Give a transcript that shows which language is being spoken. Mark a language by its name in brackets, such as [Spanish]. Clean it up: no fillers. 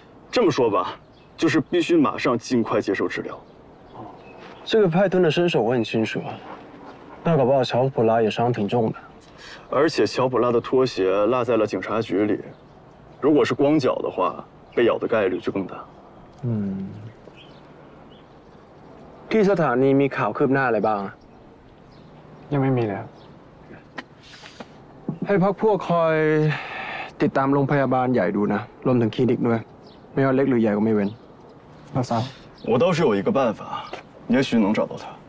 [Chinese] 这么说吧，就是必须马上尽快接受治疗。这个派吞的身手我很清楚，那搞不好乔普拉也伤挺重的。而且乔普拉的拖鞋落在了警察局里，如果是光脚的话，被咬的概率就更大。嗯。其实 [Thai] ถามนี่มีข่าวคืบหน้าอะไรบ้าง ยังไม่มีเลย ให้พักพวกคอยติดตามโรงพยาบาลใหญ่ดูนะรวมถึงคลินิกด้วยไม่ว่าเล็กหรือใหญ่ก็ไม่เว้น นะซ้า [Chinese] 我倒是有一个办法，也许能找到他。